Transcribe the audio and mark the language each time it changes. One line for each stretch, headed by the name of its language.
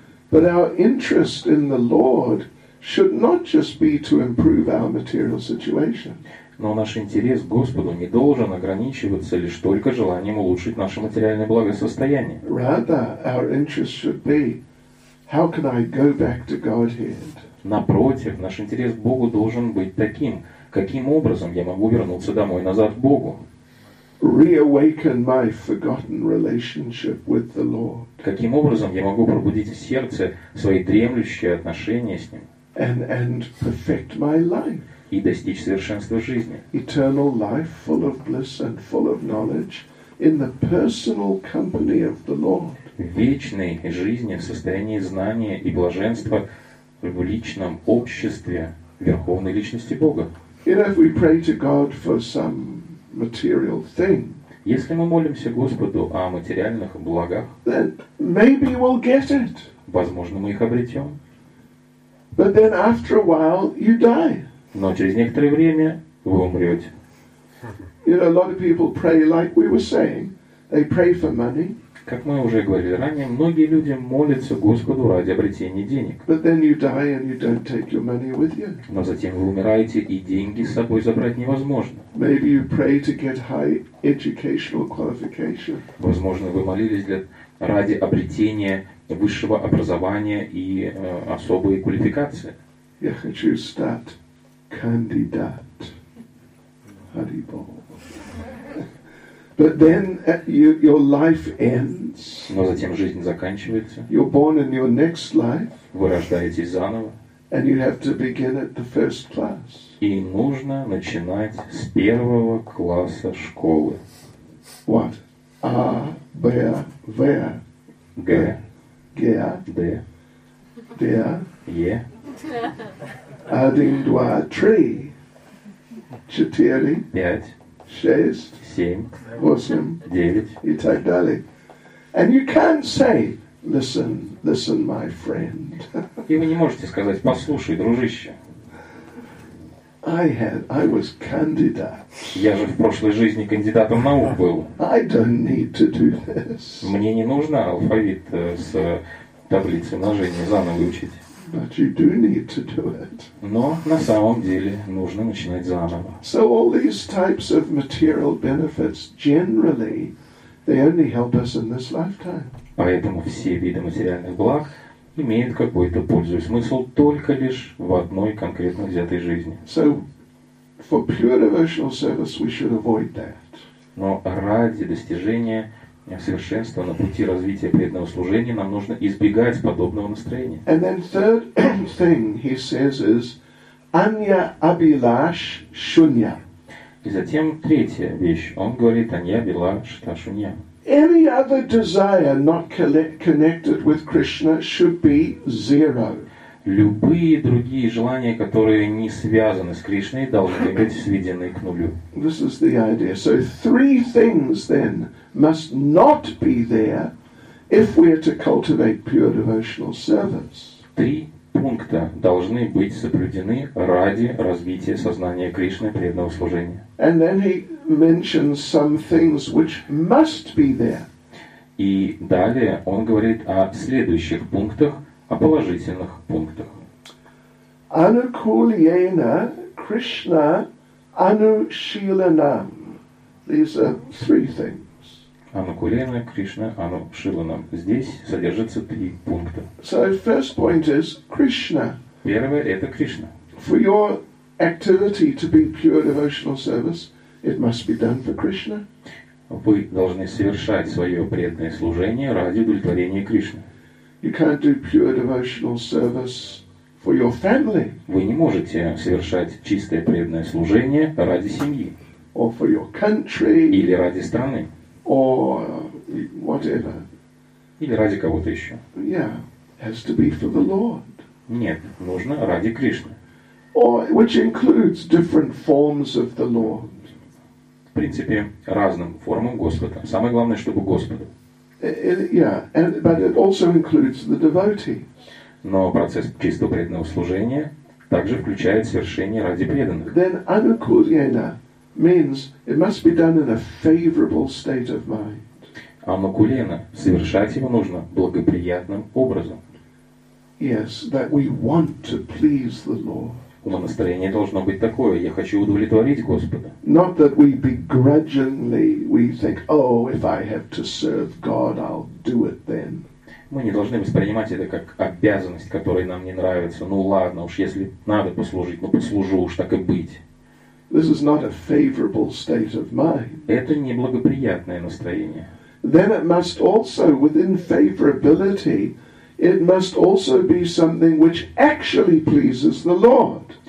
English: But our interest in the Lord should not just be to improve our material situation.
Russian: Но наш интерес к Господу не должен ограничиваться лишь только желанием улучшить наше материальное благосостояние.
English: Rather, our interest should be, how can I go back to Godhead?
Russian: Напротив, наш интерес к Богу должен быть таким, каким образом я могу вернуться домой назад к Богу?
English: Reawaken my forgotten relationship with the Lord.
Russian: Каким образом я могу пробудить в сердце свои дремлющие отношения с Ним?
English: And perfect my life.
Russian: И достичь совершенства жизни.
English: Eternal life, full of bliss and full of knowledge, in the personal company of the Lord.
Russian: Вечной жизни в состоянии знания и блаженства в личном обществе верховной личности Бога.
English: If we pray to God for some material thing,
Russian: если мы молимся Господу о материальных благах,
English: then maybe we'll get it.
Russian: Возможно, мы их обретем.
English: But then after a while you die.
Russian: Но через некоторое время вы умрете.
English: You know, a lot of people pray like we were saying. They pray for money.
Russian: Как мы уже говорили ранее, многие люди молятся Господу ради обретения денег.
English: But then you die and you don't take your money with you.
Russian: Но затем вы умираете, и деньги с собой забрать невозможно.
English: Maybe you pray to get high educational qualification.
Russian: Возможно, вы молились ради обретения высшего образования и особой квалификации. Я хочу стать кандидат Харибол.
English: But then your life ends.
Russian: Но затем жизнь заканчивается.
English: You're born in your next life.
Russian: Вы рождаетесь заново.
English: And you have to begin at the first class.
Russian: И нужно начинать с первого класса школы.
English: What? A, B, V, G, G, D, D, E.
Russian: Один, два, три, четыре, пять, шесть, семь, восемь, девять и так далее.
English: And you can't say, listen, my friend.
Russian: И вы не можете сказать, послушай, дружище.
English: I was candidate.
Russian: Я же в прошлой жизни кандидатом наук был.
English: I don't need to do this.
Russian: Мне не нужно алфавит с таблицы умножения заново учить.
English: But you do need to do it.
Russian: Но на самом деле нужно начинать заново.
English: So all these types of material benefits generally they only help us in this lifetime.
Russian: Поэтому все виды материальных благ имеют какую-то пользу и смысл только лишь в одной конкретно взятой жизни.
English: So for pure devotional service we should avoid that.
Russian: Но ради достижения совершенство на пути развития преданного служения нам нужно избегать подобного настроения.
English: And then third thing he says is
Sanskrit: anya abilash shunya.
Russian: И затем третья вещь. Он говорит
Sanskrit: anya abilash ta shunya.
English: Any other desire not connected with Krishna should be zero.
Russian: Любые другие желания, которые не связаны с Кришной, должны быть сведены к нулю.
English: This is the idea. So three things then must not be there if we are to cultivate pure devotional service.
Russian: Три пункта должны быть соблюдены ради развития сознания Кришны преданного служения.
English: And then he mentions some things which must be there.
Russian: И далее он говорит о следующих пунктах, о положительных пунктах.
Sanskrit: Anukulyena Krishna Anushilanam.
English: These are three things.
Sanskrit: Anukulyena Krishna Anushilanam.
Russian: Здесь содержится три пункта.
English: So first point is Krishna.
Russian: Первое – это Кришна.
English: For your activity to be pure devotional service, it must be done for Krishna.
Russian: Вы должны совершать свое преданное служение ради удовлетворения Кришны.
English: You can't do pure devotional service for your family.
Russian: Вы не можете совершать чистое преданное служение ради семьи.
English: Or for your country.
Russian: Или ради страны.
English: Or whatever.
Russian: Или ради кого-то еще.
English: Yeah, has to be for the Lord.
Russian: Нет, нужно ради Кришны.
English: Or which includes different forms of the Lord.
Russian: В принципе, разным формам Господа. Самое главное, чтобы Господа.
English: Yeah, but it also includes the devotees.
Russian: Но процесс чистого преданного служения также включает совершение ради преданных.
English: Then anukulyena means it must be done in a favorable state of mind.
Russian: Анукулена, совершать его нужно благоприятным образом.
English: Yes, that we want to please the Lord.
Russian: Ума настроение должно быть такое: я хочу удовлетворить Господа.
English: Not that we begrudgingly we think, oh, if I have to serve God, I'll do it then.
Russian: Мы не должны воспринимать это как обязанность, которая нам не нравится. Ну ладно, уж если надо послужить, ну послужу, уж так и быть.
English: This is not a favorable state of mind.
Russian: Это неблагоприятное настроение.
English: Then it must also, within favorability, it must also be something which actually pleases the Lord.